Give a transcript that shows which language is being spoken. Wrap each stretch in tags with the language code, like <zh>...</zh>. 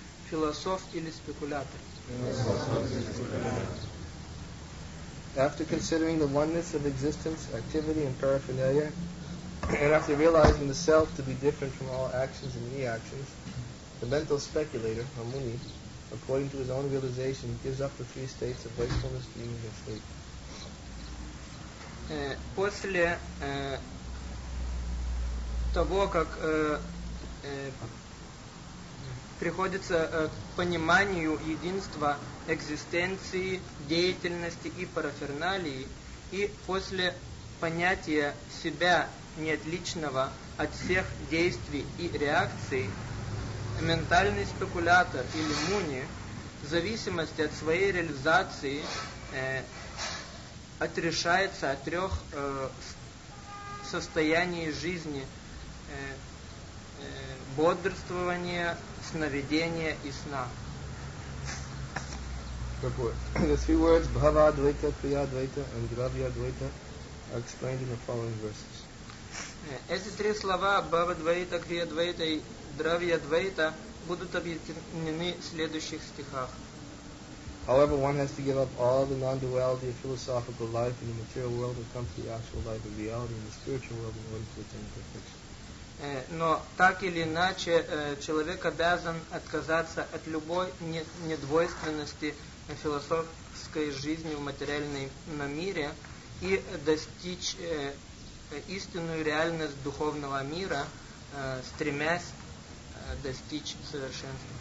<ru>Философ или спекулятор.</ru> <en>After considering the oneness of existence, activity, and paraphernalia, and after realizing the self to be different from all actions and reactions, the mental speculator, a muni, according to his own realization, gives up the three states of wakefulness, dreaming, and sleep.</en> <ru>После того, как приходится к пониманию единства экзистенции, деятельности и параферналии, и после понятия себя неотличного от всех действий и реакций, ментальный спекулятор или муни, в зависимости от своей реализации, отрешается от трех состояний жизни, бодрствования, сновидения и сна.</ru> <en>The three words bhava dvaita, kriya dvaita and dravya dvaita are explained in the following verses.</en> <ru>Эти три слова bhava dvaita, kriya dvaita и dravya dvaita будут объяснены в следующих стихах.</ru> <en>However, one has to give up all the non-duality of philosophical life in the material world and come to the actual life of reality in the spiritual world in order to attain perfection.</en> <ru>Но так или иначе человек обязан отказаться от любой недвойственности философской жизни в материальном мире и достичь истинную реальность духовного мира, стремясь достичь совершенства.</ru>